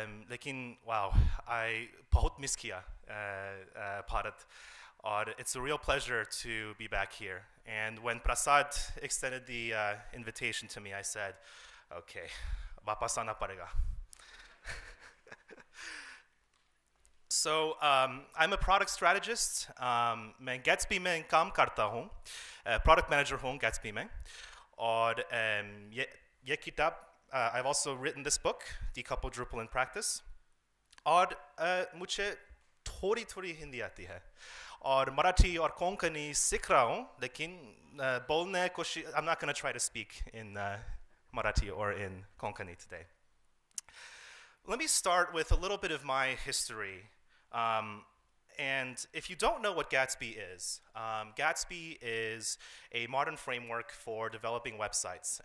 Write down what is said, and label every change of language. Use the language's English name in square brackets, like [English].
[English] लेकिन wow I बहुत miss किया भारत और it's a real pleasure to be back here and when Prasad extended the invitation to me I said okay [Hindi] वापस आना पड़ेगा [English] So I'm a product strategist. [Hindi] मैं Gatsby में काम करता हूँ. [English] Product manager हूँ Gatsby में. [Hindi] Aur ye kitab [English] I've also written this book, Decouple Drupal in Practice. [Hindi] और मुझे थोड़ी थोड़ी हिंदी आती है. और मराठी और कोंकणी सीख रहा हूँ, लेकिन बोलने कोशिश [English] I'm not going to try to speak in Marathi or in Konkani today. Let me start with a little bit of my history. And if you don't know what Gatsby is a modern framework for developing websites.